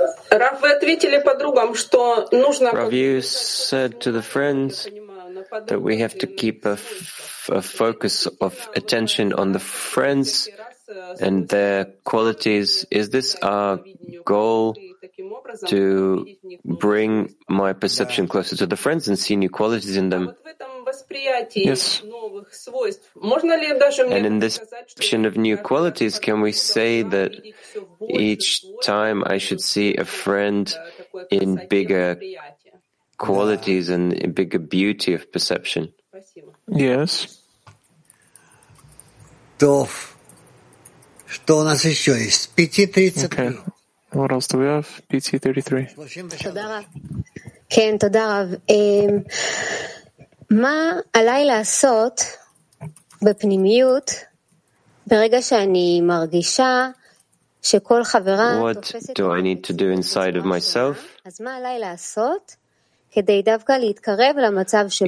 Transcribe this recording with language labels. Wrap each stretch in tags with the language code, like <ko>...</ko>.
<ru>Раф, вы ответили подругам, что нужно.</ru> <en>Rav, you said to the friends that we have to keep a focus of attention on the friends and their qualities. Is this our goal, to bring my perception closer to the friends and see new qualities in them? Yes. And in this perception of new qualities, can we say that each time I should see a friend in bigger qualities and in bigger beauty of perception. Yes.</en> <ru>Tof. Что у нас еще есть? 5:30.</ru> <en>Okay. What else do we have? 5:33.</en> <he>Кен, תודה רב. מה עליי לעשות בפנימיות ברגע שאני מרגישה שכל חברה תופסת...</he> <en>What do I need to do inside of myself?</en> <he>אז מה עליי לעשות כדי דווקא להתקרב למצב שבו...</he>